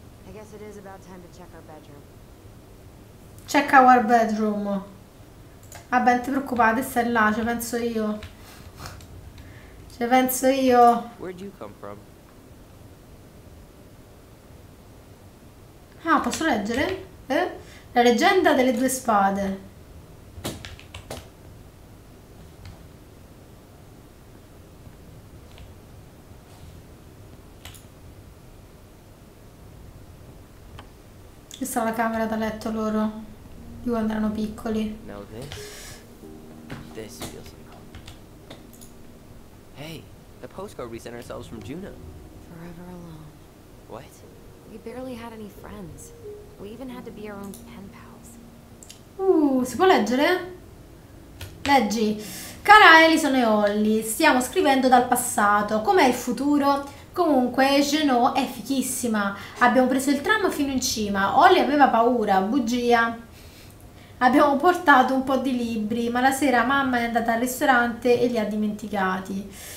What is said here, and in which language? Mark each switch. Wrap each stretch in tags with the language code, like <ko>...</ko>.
<en>I guess it is about time to check our bedroom. Check our bedroom.</en> <it>Vabbè, non ti preoccupate, stai là, ce penso io. Ce penso io.</it> <en>Where'd you come from?</en> <it>Ah, posso leggere? Eh? La leggenda delle due spade. Questa è la camera da letto loro, di quando erano piccoli.</it> <en>No, this feels like home. Hey, the postcard we sent ourselves from Juno. Forever alone. What? We barely had any friends. We even had to be our own pen pals.</en> <it>Si può leggere? Leggi. Cara Alison e Holly, stiamo scrivendo dal passato. Com'è il futuro? Comunque, Genoa è fichissima. Abbiamo preso il tram fino in cima. Holly aveva paura, bugia. Abbiamo portato un po' di libri, ma la sera mamma è andata al ristorante e li ha dimenticati.</it>